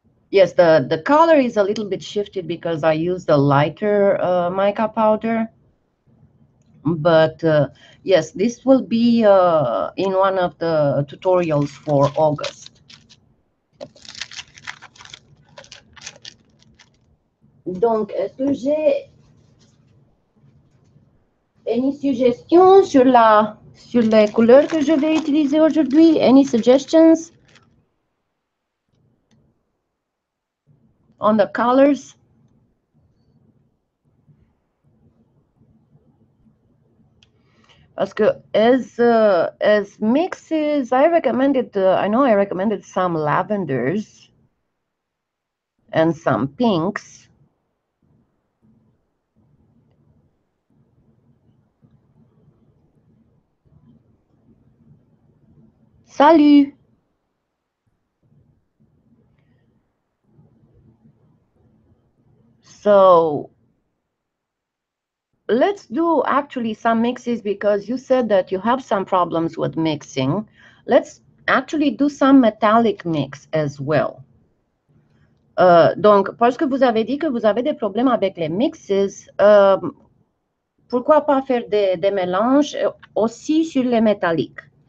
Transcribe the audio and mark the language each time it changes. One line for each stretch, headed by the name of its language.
English: Yes, the color is a little bit shifted because I used a lighter mica powder. But yes, this will be in one of the tutorials for August.
French: Donc, est-ce que j'ai
English: any suggestions
French: sur la sur les couleurs que je vais utiliser aujourd'hui.
English: Any suggestions on the colors?
French: Parce que
English: as mixes, I recommended, I know I recommended some lavenders and some pinks.
French: Salut!
English: So, let's do actually some mixes because you said that you have some problems with mixing. Let's actually do some metallic mix as well.
French: Donc, parce que vous avez dit que vous avez des problèmes avec les mixes, pourquoi pas faire des mélanges aussi sur les métalliques?